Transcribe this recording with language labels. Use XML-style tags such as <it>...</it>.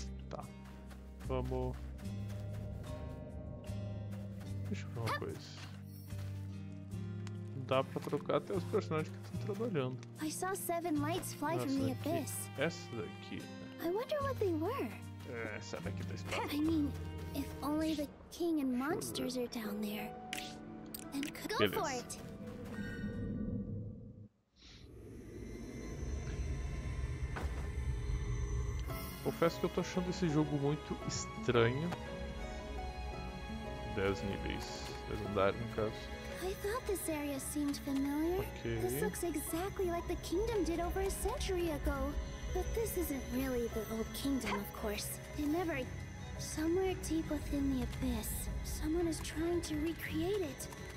<pt>Tá. Vamos. Deixa eu ver uma coisa. Dá pra trocar até os personagens que estão trabalhando.</pt> <en>I saw seven lights fly from the abyss.</en> <pt>Essa daqui.</pt> <en>I wonder what they were.</en> <pt>Essa daqui da espada.</pt> <en>I mean, if only the king and monsters are down there. Then go for it.</en> <pt>Confesso que eu tô achando esse jogo muito estranho. 10 níveis. 10 andares, no caso.</pt> <en>I thought this area seemed familiar. Okay. This looks exactly like the kingdom did over a century ago. But this isn't really the old kingdom, of course. It never... Somewhere deep within the abyss, someone is trying to recreate it.</en>